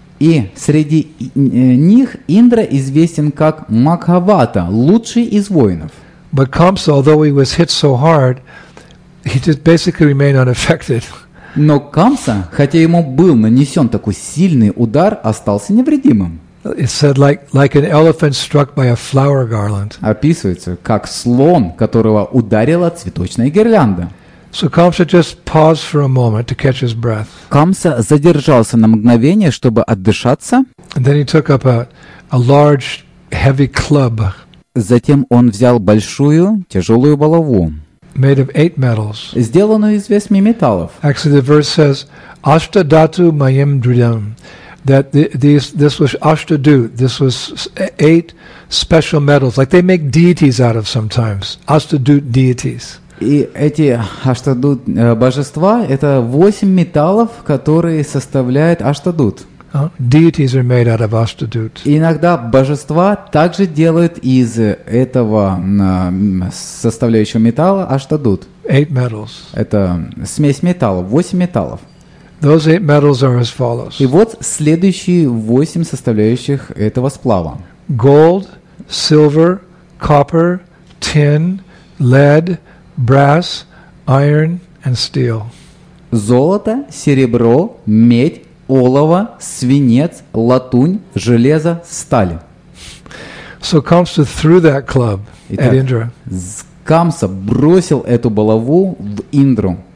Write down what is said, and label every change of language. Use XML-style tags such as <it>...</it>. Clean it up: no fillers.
<ru>И среди них Индра известен как Магавата, лучший из воинов.</ru> <en>But Kamsa, although he was hit so hard, he just basically remained unaffected.</en> <ru>Но Камса, хотя ему был нанесен такой сильный удар, остался невредимым.</ru> <en>It said like an elephant struck by a flower garland.</en> <ru>Описывается, как слон, которого ударила цветочная гирлянда.</ru> <en>So Kamsa just paused for a moment to catch his breath.</en> <ru>Камса задержался на мгновение, чтобы отдышаться.</ru> <en>And then he took up a large heavy club.</en> <ru>Затем он взял большую тяжелую булаву.</ru> <en>Made of eight metals.</en> <ru>Сделанную из восьми металлов.</ru> <en>Actually, the verse says,</en> <sa>"Ashtadatu mayim dridam."</sa> <en>That this was ashtadu. This was eight special metals. Like they make deities out of sometimes. Ashtadu deities.</en> <ru>И эти аштадут божества — это восемь металлов, которые составляют аштадут.</ru> <en>Deities are made out of ashtadut.</en> <ru>Иногда божества также делают из этого составляющего металла аштадут.</ru> <en>Eight metals.</en> <ru>Это смесь металлов, восемь металлов.</ru> <en>Those eight metals are as follows.</en> <ru>И вот следующие восемь составляющих этого сплава.</ru> <en>Gold, silver, copper, tin, lead, brass, iron, and steel.</en> <ru>Золото, серебро, медь, олово, свинец, латунь, железо, сталь.</ru> <en>So Kamsa threw that club at Indra.</en> <ru>Камса бросил эту булаву в Индру.</ru>